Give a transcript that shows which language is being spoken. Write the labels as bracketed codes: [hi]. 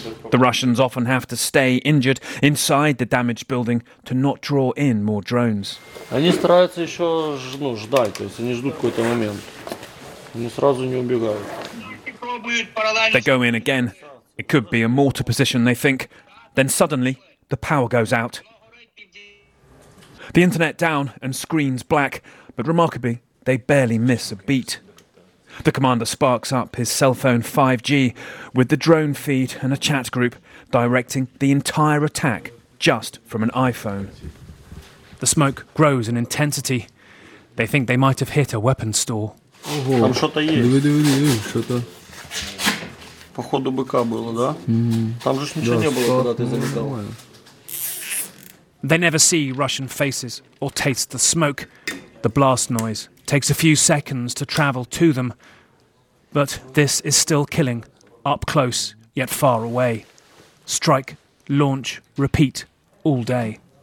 [en] The Russians often have to stay injured inside the damaged building to not draw in more drones. [ru] Они стараются еще ждать, то есть они ждут какой-то момент. Они сразу не убегают. [en] They go in again. It could be a mortar position, they think. Then suddenly, the power goes out. The internet down and screens black, but remarkably, they barely miss a beat. The commander sparks up his cell phone 5G with the drone feed and a chat group directing the entire attack just from an iPhone. The smoke grows in intensity. They think they might have hit a weapons store. [ru] Там что-то есть. Да, что-то. Походу БК было, да? Там же ничего не было, когда ты залетал. [en] They never see Russian faces or taste the smoke, the blast noise. Takes a few seconds to travel to them, but this is still killing, up close yet far away. Strike, launch, repeat, all day.